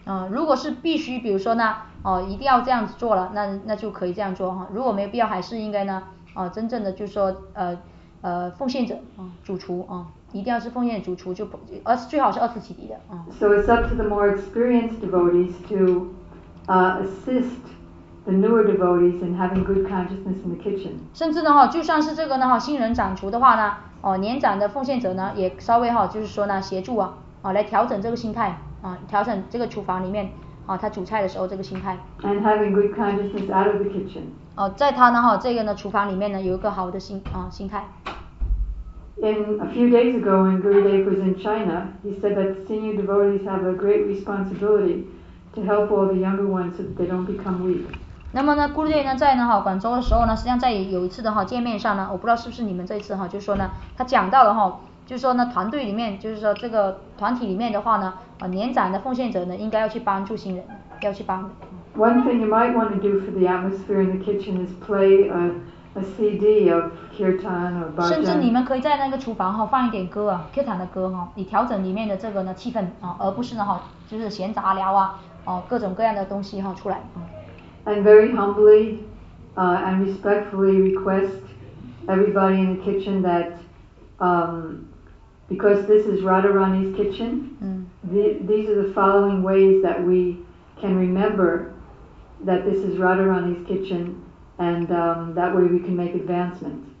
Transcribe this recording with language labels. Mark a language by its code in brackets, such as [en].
[zh] 如果是必须，比如说呢，一定要这样子做了，那就可以这样做哈。如果没必要，还是应该呢，真正的就是说，奉献者，主厨啊，一定要是奉献主厨，就最好是二次启迪的啊。 [en] So it's up to the more experienced devotees to, assist the newer devotees in having good consciousness in the kitchen. [zh] 甚至呢哈，就算是这个呢哈，新人掌厨的话呢，年长的奉献者呢，也稍微哈，就是说呢，协助啊。来调整这个心态调整这个厨房里面他煮菜的时候这个心态。 [en] And having good consciousness out of the kitchen. [zh] 在他呢这个呢厨房里面呢有一个好的心态。 [en] In a few days ago when Gurudev was in China, he said that senior devotees have a great responsibility to help all the younger ones so that they don't become weak. [zh] 那么呢 Gurudev 呢在呢广州的时候呢实际上在有一次的见面上呢我不知道是不是你们这一次就是说呢他讲到了就是说呢团队里面就是说这个团体里面的话呢年长的奉献者呢应该要去帮助新人要去帮。 [en] One thing you might want to do for the atmosphere in the kitchen is play a CD of Kirtan or Bhajan. [zh] 甚至你们可以在那个厨房放一点歌Kirtan的歌你调整里面的这个呢气氛而不是呢就是闲杂聊各种各样的东西出来。 [en] And very humbly, and respectfully request everybody in the kitchen that because this is Radharani's kitchen, these are the following ways that we can remember that this is Radharani's kitchen, and that way we can make advancement.